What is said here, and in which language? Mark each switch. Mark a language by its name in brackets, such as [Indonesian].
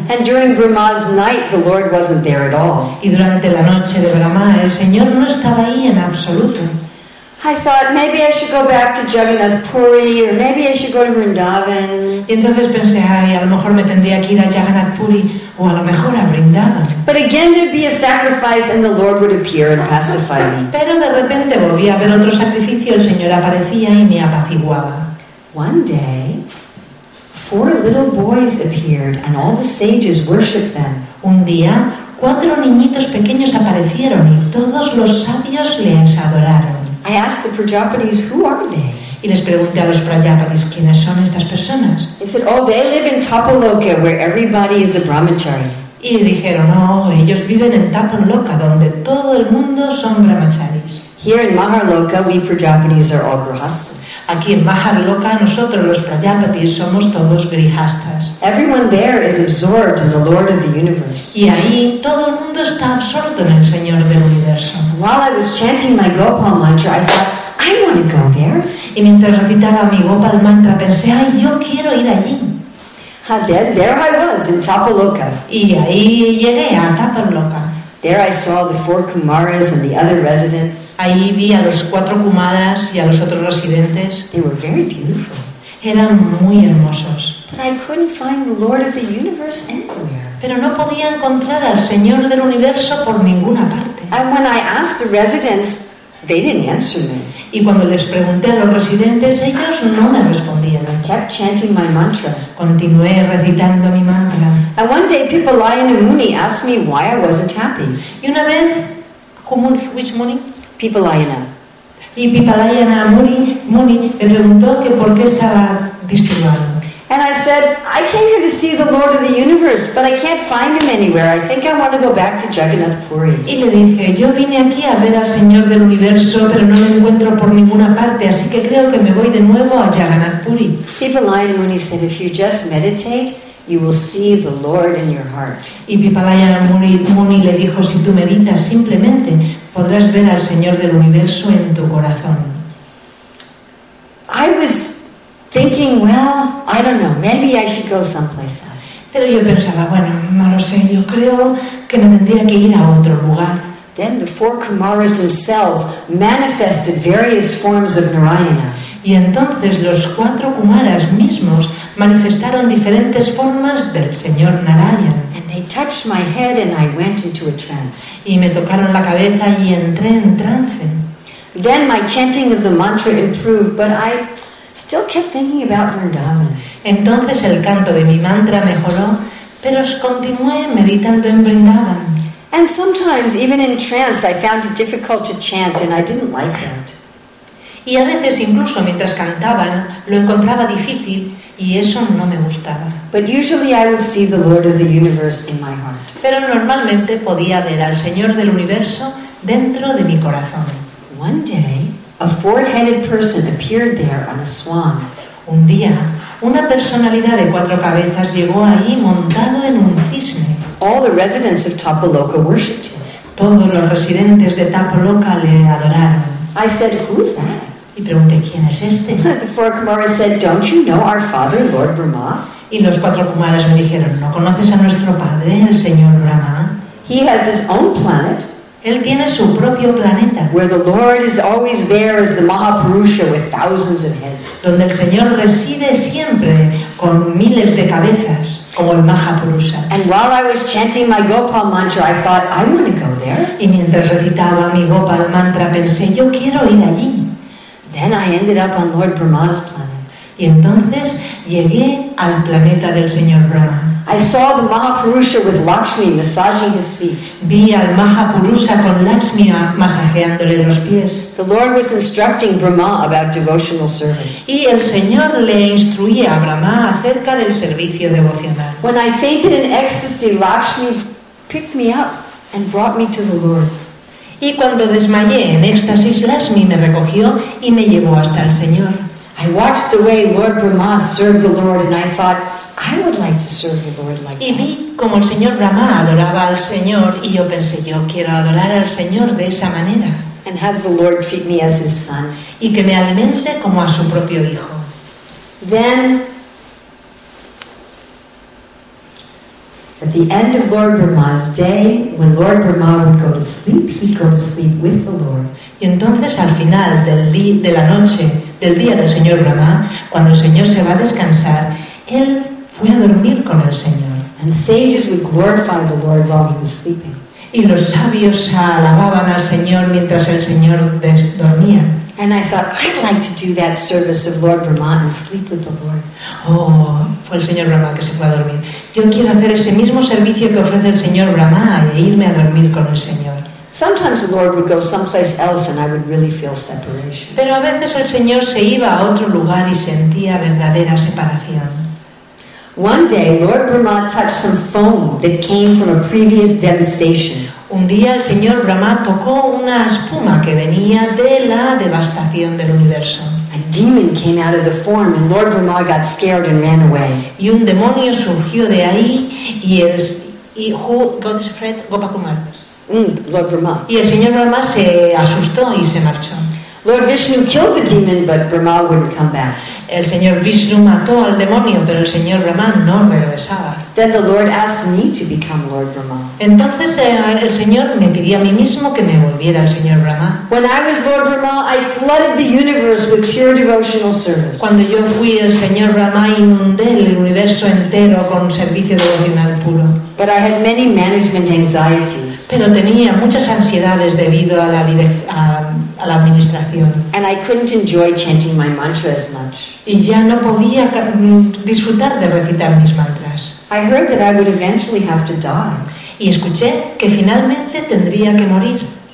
[English] And during Brahma's night, the Lord wasn't there at all. [Spanish] Y durante la noche de Brahma, el Señor no estaba ahí en absoluto. [English] I thought maybe I should go back to Jagannath Puri, or maybe I should go to Vrindavan. [Spanish] Y entonces pensé, ay, a lo mejor me tendría que ir a Jagannath Puri, o a lo mejor a Vrindavan. [English] But again, there'd be a sacrifice, and the Lord would appear and pacify me. [Spanish] Pero de repente volví a ver otro sacrificio, el Señor aparecía y me apaciguaba. [English] One day, four little boys appeared, and all the sages worshipped them. [Spanish] Un día, cuatro niñitos pequeños aparecieron y todos los sabios les adoraron. [English] I asked the Prajapatis, who are they? [Spanish] Y les pregunté a los Prajapatis, ¿quiénes son estas personas? [English] They said, oh, they live in Tapoloka, where everybody is a brahmachari. [Spanish] Y dijeron, no, oh, ellos viven en Tapoloka, donde todo el mundo son brahmacharis. [English] Here in Maharloka, we Prajapatis are all grihastas. [Spanish] Aquí en Maharloka, nosotros los Prajapatis somos todos grihastas. [English] Everyone there is absorbed in the Lord of the Universe. [Spanish] Y ahí todo el mundo está absorto en el Señor del Universo. [English] While I was chanting my Gopal mantra, I thought, I want to go there. [Spanish] Y mientras recitaba mi Gopal mantra, pensé, ay, yo quiero ir allí. [English] And then there I was in Tapoloka. [Spanish] Y ahí llegué a Tapoloka. [English] There I saw the four Kumaras and the other residents. [Spanish] Ahí vi a los cuatro Kumaras y a los otros residentes. [English] They were very beautiful. [Spanish] Eran muy hermosos. [English] But I couldn't find the Lord of the Universe anywhere. [Spanish] Pero no podía encontrar al Señor del Universo por ninguna parte. [English] And when I asked the residents, they didn't answer me. [Spanish] Y cuando les pregunté a los residentes, ellos no me respondían. [English] I kept chanting my mantra. [Spanish] Continué recitando mi mantra. [English] And one day, Pipalayanamuni asked me why I wasn't happy. [Spanish] Y una vez, [English] which Muni? Pipalayana. [Spanish] Y Pipalayanamuni Muni me preguntó que por qué estaba disturbado. [English] And I said, I came here to see the Lord of the Universe, but I can't find him anywhere. I think I want to go back to Jagannath Puri. [Spanish] Y le dije, yo vine aquí a ver al Señor del Universo, pero no lo encuentro por ninguna parte, así que creo que me voy de nuevo a Jagannath Puri. [English] Pipalayanamuni said, if you just meditate, you will see the Lord in your heart. [Spanish] Y Pipalayanamuni le dijo, si tú meditas simplemente, podrás ver al Señor del Universo en tu corazón. [English] I was thinking, well, I don't know, maybe I should go someplace else. [Spanish] Pero yo pensaba, bueno, no lo sé, yo creo que me tendría que ir a otro lugar. [English] Then the four Kumaras themselves manifested various forms of Narayana. [Spanish] Y entonces los cuatro Kumaras mismos manifestaron diferentes formas del Señor Narayana. [English] And they touched my head and I went into a trance. [Spanish] Y me tocaron la cabeza y entré en trance. [English] Then my chanting of the mantra improved, but I still kept thinking about Vrindavan. [Spanish] Entonces el canto de mi mantra mejoró, pero continué meditando en Vrindavan. [English] And sometimes, even in trance, I found it difficult to chant, and I didn't like that. [Spanish] Y a veces, incluso mientras cantaba, lo encontraba difícil, y eso no me gustaba. [English] But usually I would see the Lord of the Universe in my heart. [Spanish] Pero normalmente podía ver al Señor del Universo dentro de mi corazón. [English] One day, a four-headed person appeared there on a swan. [Spanish] Un día, una personalidad de cuatro cabezas llegó ahí montado en un cisne. [English] All the residents of Tapoloka worshipped him. [Spanish] Todos los residentes de Tapoloka le adoraron. [English] I said, "Who's that?" [Spanish] Y pregunté, ¿quién es este? [English] The four Kumaras said, "Don't you know our father, Lord Brahma?" [Spanish] Y los cuatro Kumaras me dijeron, ¿no conoces a nuestro padre, el señor Brahma? [English] He has his own planet. [Spanish] Él tiene su propio planeta. [English] Where the Lord is always there as the Mahapurusha with thousands of heads. [Spanish] Donde el Señor reside siempre con miles de cabezas, como el Mahapurusha. [English] And while I was chanting my Gopal mantra, I thought, I want to go there. [Spanish] Y mientras recitaba mi Gopal mantra, pensé, yo quiero ir allí. [English] Then I ended up on Lord Brahma's planet. [Spanish] Y entonces llegué al planeta del Señor Brahma. [English] I saw the Mahapurusha with Lakshmi massaging his feet. [Spanish] Vi al Mahapurusha con Lakshmi masajeándole los pies. [English] The Lord was instructing Brahma about devotional service. [Spanish] Y el Señor le instruía a Brahma acerca del servicio devocional. [English] When I fainted in ecstasy, Lakshmi picked me up and brought me to the Lord. [Spanish] Y cuando desmayé en éxtasis, Lakshmi me recogió y me llevó hasta el Señor. [English] I watched the way Lord Brahma served the Lord and I thought, I would like to serve the Lord like that. [Spanish] Y vi como el señor Brahma adoraba al Señor y yo pensé, yo quiero adorar al Señor de esa manera. [English] And have the Lord treat me as his son. [Spanish] Y que me alimente como a su propio hijo. [English] Then, a the end of Lord Brahma's day, when Lord Brahma would go to sleep, he'd go to sleep with the Lord. [Spanish] Y entonces al final de la noche del día del Señor Brahma, cuando el Señor se va a descansar, él fue a dormir con el Señor. [English] And sages would glorify the Lord while he was sleeping. [Spanish] Y los sabios alababan al Señor mientras el Señor dormía. [English] And I thought, I'd like to do that service of Lord Brahma and sleep with the Lord. [Spanish] Oh, fue el Señor Brahma que se fue a dormir. Yo quiero hacer ese mismo servicio que ofrece el Señor Brahma e irme a dormir con el Señor. [English] Sometimes the Lord would go someplace else and I would really feel separation. [Spanish] Pero a veces el Señor se iba a otro lugar y sentía verdadera separación. [English] One day, Lord Brahma touched some foam that came from a previous devastation. [Spanish] Un día el Señor Brahma tocó una espuma que venía de la devastación del universo. [English] A demon came out of the form and Lord Brahma got scared and ran away. [Spanish] Y un demonio surgió de ahí y el Godfred Gopakumar. [English] Lord Brahma. [Spanish] Y el Señor Brahma se asustó y se marchó. [English] Lord Vishnu killed the demon, but Brahma wouldn't come back. [Spanish] El Señor Vishnu mató al demonio, pero el Señor Brahma no regresaba. [English] Then the Lord asked me to become Lord Brahma. [Spanish] Entonces el Señor me pidió a mí mismo que me volviera el Señor Brahma. [English] When I was Lord Brahma, I flooded the universe with pure devotional service. [Spanish] Cuando yo fui el Señor Brahma, inundé el universo entero con servicio devocional puro. [English] But I had many management anxieties. [Spanish] Pero tenía muchas ansiedades debido a la administración. [English] And I couldn't enjoy chanting my mantra as much. [Spanish] Y ya no podía disfrutar de recitar mis mantras. [English] I heard that I would eventually have to die. [Spanish] Y escuché que finalmente tendría que morir.